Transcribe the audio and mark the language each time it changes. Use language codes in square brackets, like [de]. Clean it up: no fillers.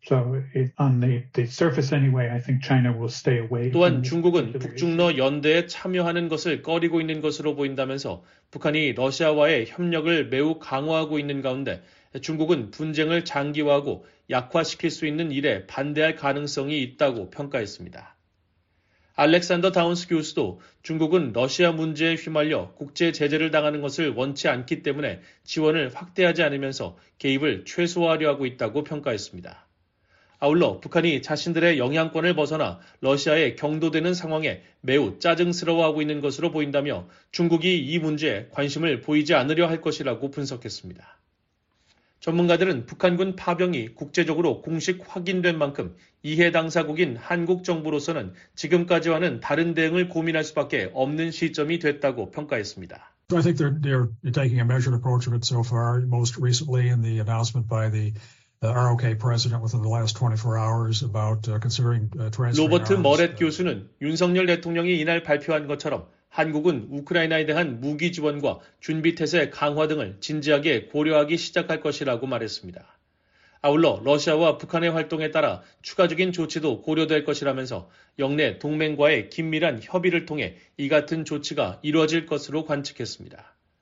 [en] So on the surface anyway, I think China will stay away. [ko] 또한 중국은 북중러 연대에 참여하는 것을 꺼리고 있는 것으로 보인다면서 북한이 러시아와의 협력을 매우 강화하고 있는 가운데 중국은 분쟁을 장기화하고 약화시킬 수 있는 일에 반대할 가능성이 있다고 평가했습니다. 알렉산더 다운스 교수도 중국은 러시아 문제에 휘말려 국제 제재를 당하는 것을 원치 않기 때문에 지원을 확대하지 않으면서 개입을 최소화하려 하고 있다고 평가했습니다. 아울러 북한이 자신들의 영향권을 벗어나 러시아에 경도되는 상황에 매우 짜증스러워하고 있는 것으로 보인다며 중국이 이 문제에 관심을 보이지 않으려 할 것이라고 분석했습니다. 전문가들은 북한군 파병이 국제적으로 공식 확인된 만큼 이해 당사국인 한국 정부로서는 지금까지와는 다른 대응을 고민할 수밖에 없는 시점이 됐다고 평가했습니다. [en] I think they're taking a measured approach of it so far. Most recently in the announcement by the ROK president within the last 24 hours about considering transferring [ko] 로버트 머렛 교수는 윤석열 대통령이 이날 발표한 것처럼 한국은 우크라이나에 대한 무기 지원과 준비태세 강화 등을 진지하게 고려하기 시작할 것이라고 말했습니다. 아울러 러시아와 북한의 활동에 따라 추가적인 조치도 고려될 것이라면서 영내 동맹과의 긴밀한 협의를 통해 이 같은 조치가 이루어질 것으로 관측했습니다.